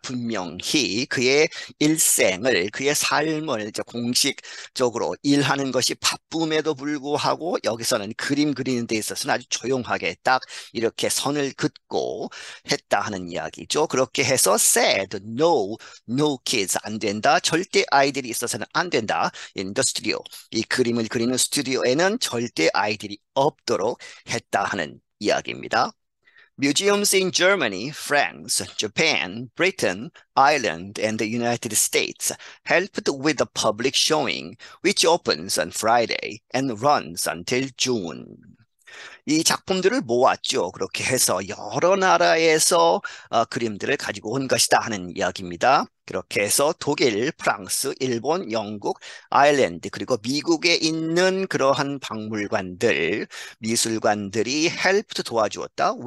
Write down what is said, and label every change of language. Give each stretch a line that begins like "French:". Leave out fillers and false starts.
Korean: 분명히 그의 일생을, 그의 삶을 이제 공식적으로 일하는 것이 바쁨에도 불구하고 여기서는 그림 그리는 데 있어서는 아주 조용하게 딱 이렇게 선을 긋고 했다 하는 이야기죠. 그렇게 해서
English: said no, no kids
Korean: 안 된다. 절대 아이들이 있어서는 안 된다.
English: In the studio.
Korean: 이 그림을 그리는 스튜디오에는 절대 아이들이 없도록 했다 하는 이야기입니다.
English: Museums in Germany, France, Japan, Britain, Ireland, and the United States helped with the public showing, which opens on Friday and runs until June.
Korean: 이 작품들을 모았죠. 그렇게 해서 여러 나라에서 그림들을 가지고 온 것이다 하는 이야기입니다. 그렇게 해서 독일, 프랑스, 일본, 영국, 아일랜드, 그리고 미국에 있는 그러한 박물관들, 미술관들이
English: helped
Korean: 도와주었다.